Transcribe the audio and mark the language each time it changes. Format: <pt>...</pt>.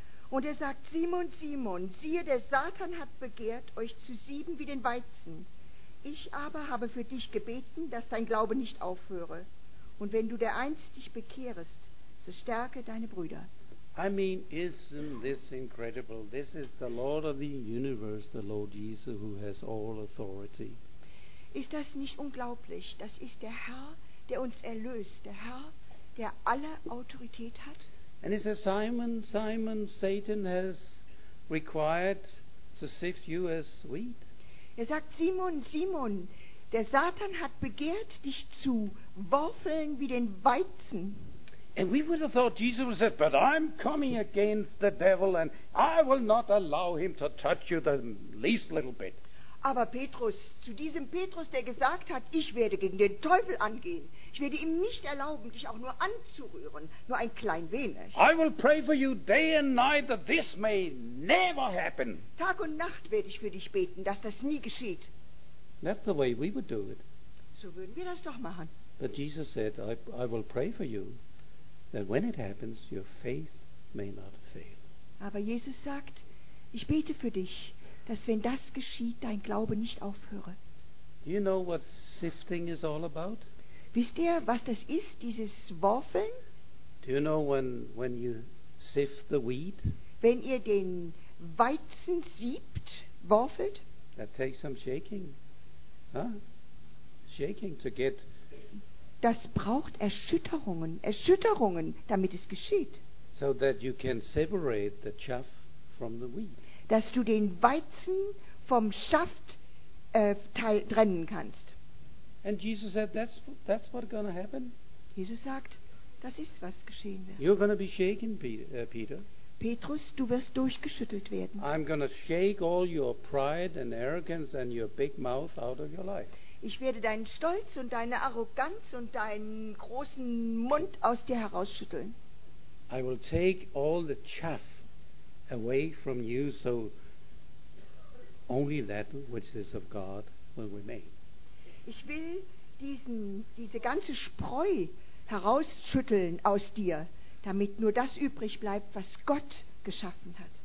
<de>Und er sagt, Simon, Simon, siehe, der Satan hat begehrt, euch zu sieben wie den Weizen. Ich aber habe für dich gebeten, dass dein Glaube nicht aufhöre. Und wenn du dereinst dich bekehrest, so stärke deine Brüder.</de> <en>I mean, isn't this incredible? This is the Lord of the universe, the Lord Jesus, who has all authority.</en> <de>Ist das nicht unglaublich? Das ist der Herr, der uns erlöst, der Herr, der alle Autorität hat.</de> <en>And he says, Simon, Simon, Satan has required to sift you as wheat.</en> <de>Er sagt, Simon, Simon, der Satan hat begehrt, dich zu würfeln wie den Weizen.</de> <en>And we would have thought Jesus would have said, but I'm coming against the devil and I will not allow him to touch you the least little bit.</en> <de>Aber Petrus, zu diesem Petrus, der gesagt hat, ich werde gegen den Teufel angehen, ich werde ihm nicht erlauben, dich auch nur anzurühren, nur ein klein wenig.</de> <en>I will pray for you day and night that this may never happen.</en> <de>Tag und Nacht werde ich für dich beten, dass das nie geschieht.</de> <en>That's the way we would do it.</en> <de>So würden wir das doch machen.</de> <en>But Jesus said, I will pray for you. That when it happens, your faith may not fail.</en> <de>Aber Jesus sagt, ich bete für dich, dass wenn das geschieht, dein Glaube nicht aufhöre.</de> <en>Do you know what sifting is all about?</en> <de>Wisst ihr, was das ist, dieses Worfeln?</de> <en>Do you know when you sift the wheat?</en> <de>Wenn ihr den Weizen siebt, worfelt?</de> <en>That takes some shaking. Huh? Shaking to get...</en> <de>Das braucht Erschütterungen, Erschütterungen, damit es geschieht.</de> <en>So that you can separate the chaff from the wheat.</en> <de>Dass du den Weizen vom Schaft trennen kannst.</de> <en>And Jesus said, that's what's going to happen.</en> <de>Jesus sagt, das ist was geschehen wird.</de> <en>You're going to be shaken, Peter.</en> <de>Petrus, du wirst durchgeschüttelt werden.</de> <en>I'm going to shake all your pride and arrogance and your big mouth out of your life.</en> <de>Ich werde deinen Stolz und deine Arroganz und deinen großen Mund aus dir herausschütteln.</de> <en>I will take all the chaff away from you, so only that which is of God will remain.</en> <de>Ich will diese ganze Spreu herausschütteln aus dir, damit nur das übrig bleibt, was Gott geschaffen hat.</de>